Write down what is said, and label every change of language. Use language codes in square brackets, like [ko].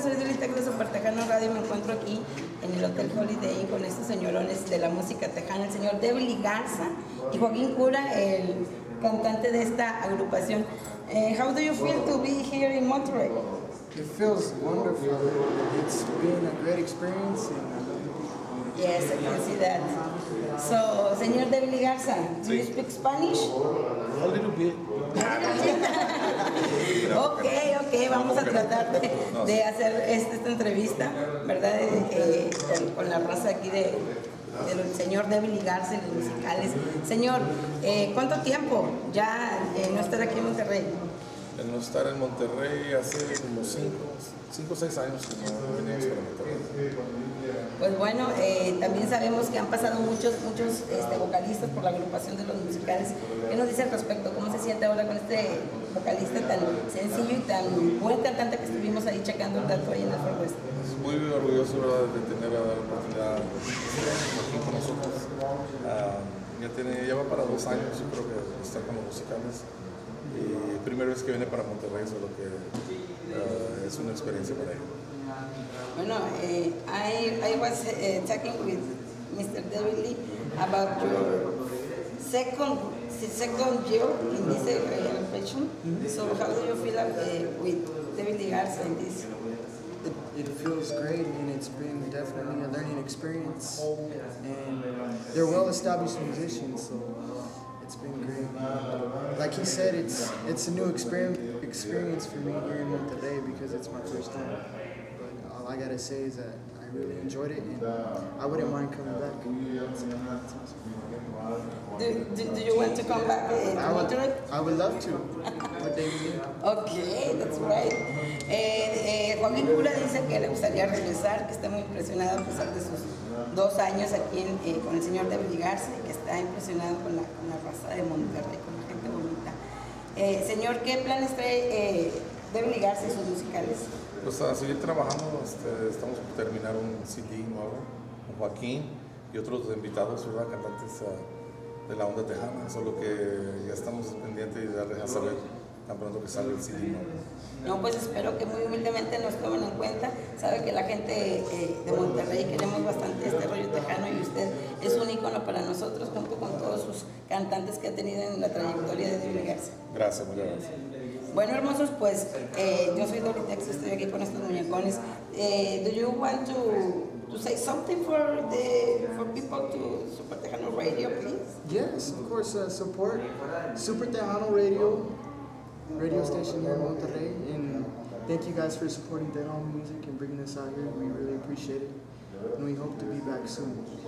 [es] Soy Dulita Cruz de Super Tejano Radio y me encuentro aquí en el Hotel Holiday Inn con estos señorones de la música tejana, el señor Devly Garza y Joaquín Cura, el cantante de esta agrupación. [en] How do you feel to be here in Monterrey? It feels wonderful. It's been a great experience. And yes, I can see that. So, señor Devly Garza, do you speak Spanish? A little bit. [es] Ok, vamos a tratar de hacer esta entrevista, ¿verdad? Con la raza aquí del señor Devly Garza en los musicales. Señor, ¿cuánto tiempo ya no estar aquí en Monterrey? El no estar en Monterrey hace como 5 o 6 años que no venimos para Monterrey. Pues bueno, también sabemos que han pasado muchos vocalistas por la agrupación de los musicales. ¿Qué nos dice al respecto? ¿Cómo se siente ahora con este vocalista tan sencillo y tan buen cantante que estuvimos ahí checando el dato ahí en el Forwest? Muy orgulloso, ¿verdad?, de tener a dar oportunidad aquí con nosotros. Ya va para 2 años, yo creo que está con los musicales. Y primera vez que viene para Monterrey, eso es lo que es una experiencia para él. [en] Bueno, I was talking with Mr. Devly about your second year in this profession. So how do you feel with Devly Garza in this? It feels great, and it's been definitely a learning experience. And they're well established musicians, so it's been great. Like he said, it's a new experience for me here in Monterrey because it's my first time. But all I gotta say is that I really enjoyed it, and I wouldn't mind coming back. Do you want to come back to Monterrey? I would love to. What day do you need? Okay, that's right. [es] Joaquín Cura dice que le gustaría regresar, que está muy impresionado a pesar de sus 2 años aquí con el señor Devly Garza, que está impresionado con la raza de Monterrey, con la gente bonita. Señor, ¿qué planes trae Devly Garza en sus musicales? Pues a seguir trabajando, estamos por terminar un CD nuevo con Joaquín y otros invitados, ¿verdad?, cantantes de la onda tejana, solo que ya estamos pendientes de darles a saber tan pronto que sale el CD. No, pues espero que muy humildemente nos tomen en cuenta. Sabe que la gente de Monterrey queremos bastante este rollo tejano y usted es un ícono para nosotros junto con todos sus cantantes que ha tenido en la trayectoria de Devly Garza. Gracias, muchas gracias. Bueno, hermosos, pues yo soy Dolly Tex, estoy aquí con estos muñecones. [en] Do you want to say something for people to Super Tejano Radio, please? Yes, of course, support Super Tejano Radio station here in Monterrey, and thank you guys for supporting Dead Home Music and bringing us out here. We really appreciate it, and we hope to be back soon.